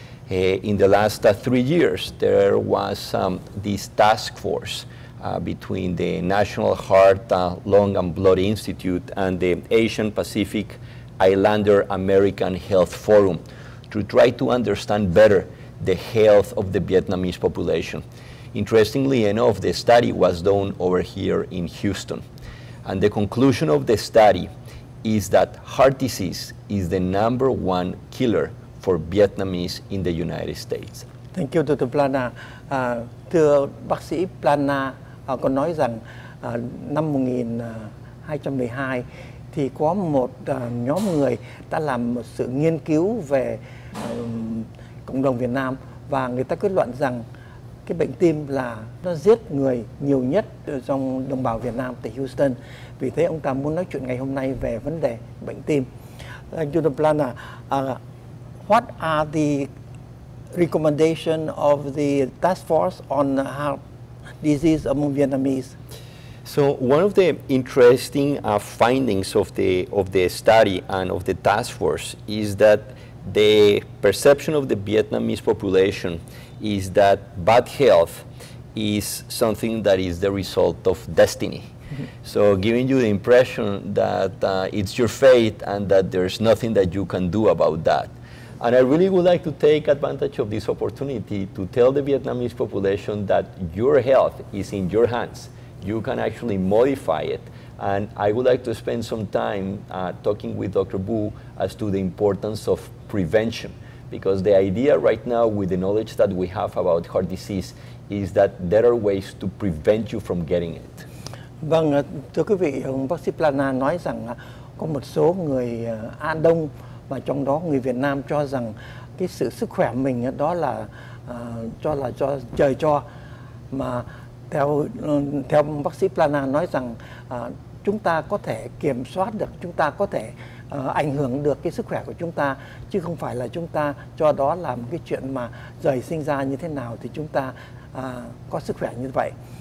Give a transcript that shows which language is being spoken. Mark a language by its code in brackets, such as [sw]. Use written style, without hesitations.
[en] In the last 3 years, there was this task force between the National Heart, Lung, and Blood Institute and the Asian Pacific Islander American Health Forum to try to understand better the health of the Vietnamese population. Interestingly enough, the study was done over here in Houston. And the conclusion of the study is that heart disease is the number one killer for Vietnamese in the United States. Thank you, Dr. Plana. [vi] Thưa bác sĩ Plana, có nói rằng năm 1212 thì có một nhóm người đã làm một sự nghiên cứu về cộng đồng Việt Nam, và người ta kết luận rằng cái bệnh tim là nó giết người nhiều nhất trong đồng bào Việt Nam tại Houston. Vì thế ông ta muốn nói chuyện ngày hôm nay về vấn đề bệnh tim. [en] Dr. Plana, what are the recommendation of the task force on heart disease among Vietnamese? So one of the interesting findings of the study and of the task force is that the perception of the Vietnamese population is that bad health is something that is the result of destiny. So giving you the impression that it's your fate and that there's nothing that you can do about that. And I really would like to take advantage of this opportunity to tell the Vietnamese population that your health is in your hands. You can actually modify it. And I would like to spend some time talking with Dr. Bu as to the importance of prevention. Because the idea right now with the knowledge that we have about heart disease is that there are ways to prevent you from getting it. [vi] Vâng, thưa quý vị, bác sĩ Plana nói rằng là có một số người A Đông và trong đó người Việt Nam cho rằng cái sự sức khỏe mình đó là cho là cho trời cho, mà theo bác sĩ Plana nói rằng chúng ta có thể kiểm soát được, chúng ta có thể ảnh hưởng được cái sức khỏe của chúng ta, chứ không phải là chúng ta cho đó là một cái chuyện mà trời sinh ra như thế nào thì chúng ta có sức khỏe như vậy.